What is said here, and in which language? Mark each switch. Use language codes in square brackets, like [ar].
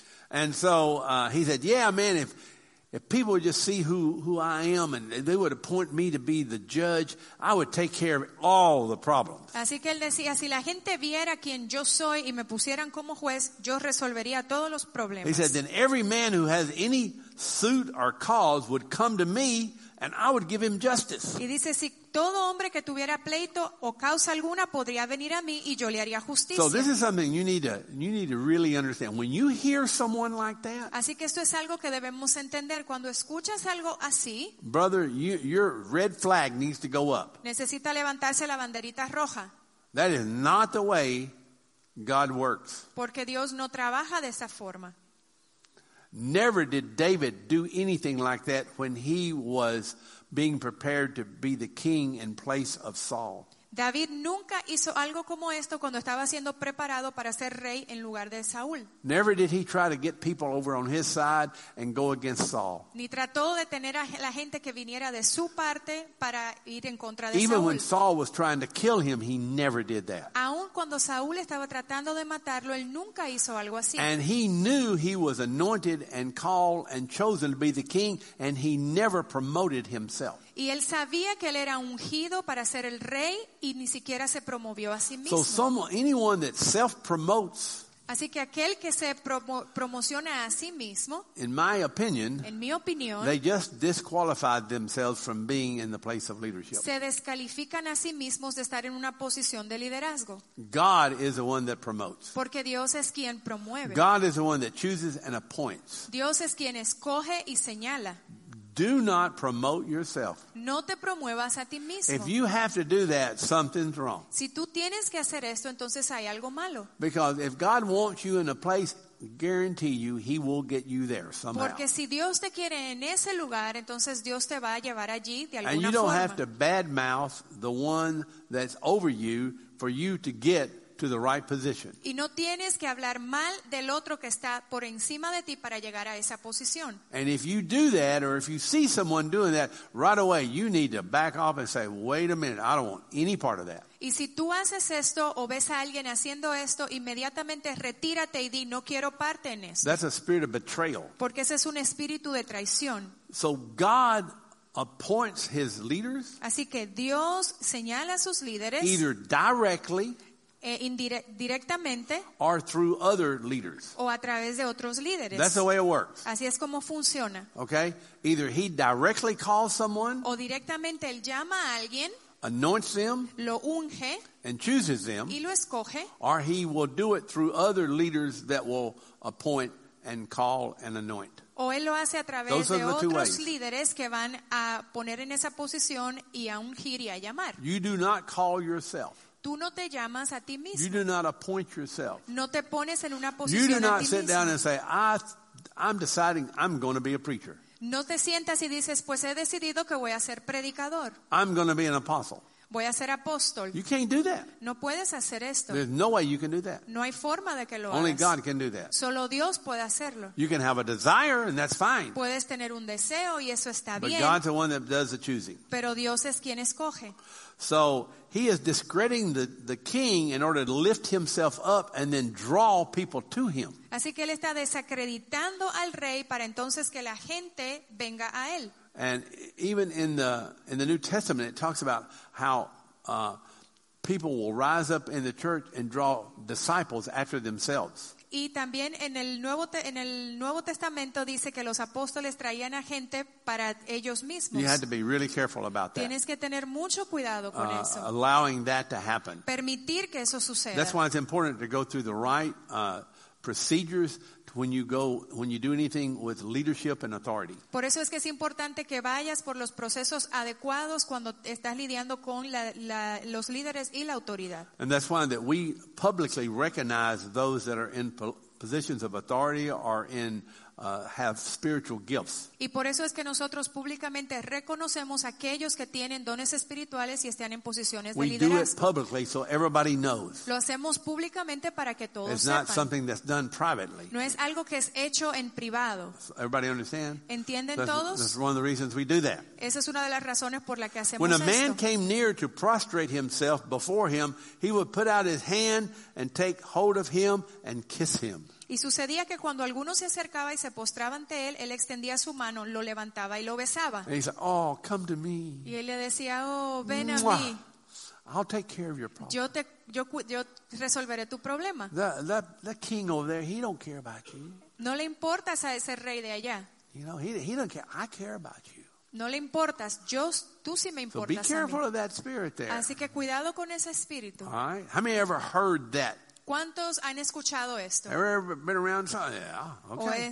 [en] And so he said, yeah, man, if people would just see who I am and they would appoint me to be the judge, I would take care of all the problems. [es] Así que él decía, si la gente viera quién yo soy y me pusieran como juez, yo resolvería todos los problemas. [en] He said, then every man who has any suit or cause would come to me and I would give him justice. [es] Y dice, si todo hombre que tuviera pleito o causa alguna podría venir a mí y yo le haría justicia. [en] So this is something you need to really understand. When you hear someone like that, [es] así que esto es algo que debemos entender. Cuando escuchas algo así, [en] brother, your red flag needs to go up. [es] Necesita levantarse la banderita roja. [en] That is not the way God works. [es] Porque Dios no trabaja de esa forma. [en] Never did David do anything like that when he was being prepared to be the king in place of Saul. [es] David nunca hizo algo como esto cuando estaba siendo preparado para ser rey en lugar de Saúl. [en] Never did he try to get people over on his side and go against Saul. [es] Ni trató de tener a la gente que viniera de su parte para ir en contra de Saúl. [en] Even when Saul was trying to kill him, he never did that. [es] Aun cuando Saúl estaba tratando de matarlo, él nunca hizo algo así. [en] And he knew he was anointed and called and chosen to be the king, and he never promoted himself. [es] Y él sabía que él era ungido para ser el rey y ni siquiera se promovió a sí mismo. [en] So anyone that self-promotes, [es] así que aquel que se promociona a sí mismo, [en] in my opinion, [es] en mi opinión, [en] they just disqualified themselves from being in the place of leadership. [es] Se descalifican a sí mismos de estar en una posición de liderazgo. [en] God is the one that promotes. [es] Porque Dios es quien promueve. [en] God is the one that chooses and appoints. [es] Dios es quien escoge y señala. [en] Do not promote yourself. [es] No te promuevas a ti mismo. [en] If you have to do that, something's wrong. [es] Si tú tienes que hacer esto, entonces hay algo malo. [en] Because if God wants you in a place, guarantee you he will get you there somehow. [es] Porque si Dios te quiere en ese lugar, entonces Dios te va a llevar allí de alguna forma. [en] And you don't [es] forma. [en] Have to badmouth the one that's over you for you to get to the right position. [es] Y no tienes que hablar mal del otro que está por encima de ti para llegar a esa posición. [en] And if you do that, or if you see someone doing that, right away you need to back off and say, wait a minute, I don't want any part of that. [es] Y si tú haces esto o ves a alguien haciendo esto, inmediatamente retírate y di, no quiero parte en esto. [en] That's a spirit of betrayal. [es] Porque ese es un espíritu de traición. [en] So God appoints his leaders. [es] Así que Dios señala a sus líderes. [en] Either directly. [es] Directamente, [en] or through other leaders. [es] O a través de otros líderes. [en] That's the way it works. [es] Así es como funciona. [en] Okay? Either he directly calls someone, [es] o directamente él llama a alguien, [en] anoints them, [es] lo unge, [en] and chooses them, [es] y lo escoge, [en] or he will do it through other leaders that will appoint and call and anoint. [es] O él lo hace a través de otros líderes que van a poner en esa posición y a ungir y a llamar. [en] You do not call yourself. [es] Tú no te llamas a ti mismo. [en] You do not appoint yourself. [es] No te pones en una posición. [en] You do not [es] a ti [en] sit [es] mismo. [en] Down and say, I'm deciding I'm going to be a preacher. [es] No te sientas y dices, pues he decidido que voy a ser predicador. [en] I'm going to be an apostle. [es] Voy a ser apóstol. [en] You can't do that. [es] No puedes hacer esto. [en] There's no way you can do that. [es] No hay forma de que lo [en] Only [es] hagas. [en] God can do that. [es] Solo Dios puede hacerlo. [en] You can have a desire and that's fine. [es] Puedes tener un deseo y eso está [en] But [es] bien. [en] But God's the one that does the choosing. [es] Pero Dios es quien escoge. [en] So he is discrediting the king in order to lift himself up and then draw people to him. [es] Así que él está desacreditando al rey para entonces que la gente venga a él. [en] And even in the New Testament, it talks about how people will rise up in the church and draw disciples after themselves. [es] Y también en el Nuevo Testamento dice que los apóstoles traían a gente para ellos mismos. [en] You have to be really careful about that. [es] Tienes que tener mucho cuidado con eso. [en] Allowing that to happen. [es] Permitir que eso suceda. [en] That's why it's important to go through the right procedures when you do anything with leadership and authority. [es] Por eso es que es importante que vayas por los procesos adecuados cuando estás lidiando con los líderes y la autoridad. [en] And that's why that we publicly recognize those that are in positions of authority or in have spiritual gifts. [es] Y por eso es que nosotros públicamente reconocemos aquellos que tienen dones espirituales y están en posiciones de liderazgo. [en] We do it publicly so everybody knows. [es] Lo hacemos públicamente para que todos sepan. [en] It's not something that's done privately. [es] No es algo que es hecho en privado. [en] Everybody understand? [es] ¿Entienden todos? [en] That's one of the reasons we do that. [es] Esa es una de las razones por la que hacemos esto. [en] When a man came near to prostrate himself before him, he would put out his hand and take hold of him and kiss him. [es] Y sucedía que cuando alguno se acercaba y se postraba ante él, él extendía su mano, lo levantaba y lo besaba. [en] And he said, oh, come to me. [es] Y él le decía, oh, ven a mí. [en] I'll take care of your problem. [es] Yo resolveré tu problema. [en] That king over there, he don't care about you. [es] No le importas a ese rey de allá. [en] You know, he don't care. I care about you. [es] No le importas, tú sí me importas. [en] So be careful of that spirit there. [es] Así que cuidado con ese espíritu. [en] All right. How many ever heard that? [es] ¿Cuántos han escuchado esto? [en] Ever been around? Yeah, okay.